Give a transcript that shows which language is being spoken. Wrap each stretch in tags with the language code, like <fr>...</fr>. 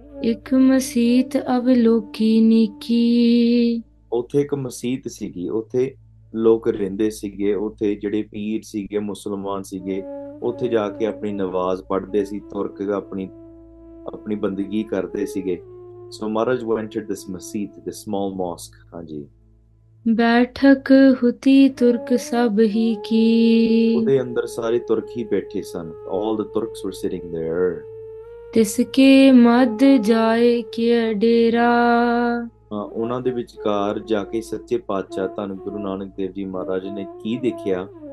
<pa>ਇੱਕ ਮਸੀਤ ਅਵਲੋਕੀ ਨੀਕੀ। ਉੱਥੇ ਇੱਕ ਮਸੀਤ ਸੀਗੀ, ਉੱਥੇ ਲੋਕ ਰਹਿੰਦੇ ਸੀਗੇ, ਉੱਥੇ ਜਿਹੜੇ ਪੀਰ ਸੀਗੇ ਮੁਸਲਮਾਨ ਸੀਗੇ, ਉੱਥੇ ਜਾ ਕੇ ਆਪਣੀ ਨਵਾਜ਼ ਪੜ੍ਹਦੇ ਸੀ, ਤੁਰਕ ਆਪਣੀ ਆਪਣੀ ਬੰਦਗੀ ਕਰਦੇ ਸੀਗੇ।</pa> <en>So Maharaj entered this masjid, this small mosque. Haji,</en> <pa>ਬੈਠਕ ਹੁਤੀ ਤੁਰਕ ਸਭ ਹੀ ਕੀ। ਉਹਦੇ ਅੰਦਰ ਸਾਰੇ ਤੁਰਕ ਹੀ ਬੈਠੇ ਸਨ,</pa> <en>all the Turks were sitting there.</en> <pa>ਤਿਸ ਕੇ ਮਦ ਜਾਏ ਕੇ ਡੇਰਾ। ਉਹਨਾਂ ਦੇ ਵਿਚਕਾਰ ਜਾ ਕੇ ਸੱਚੇ ਪਾਤਸ਼ਾਹ ਧੰਨ ਗੁਰੂ ਨਾਨਕ ਦੇਵ ਜੀ ਮਹਾਰਾਜ ਨੇ ਕੀ ਦੇਖਿਆ?</pa>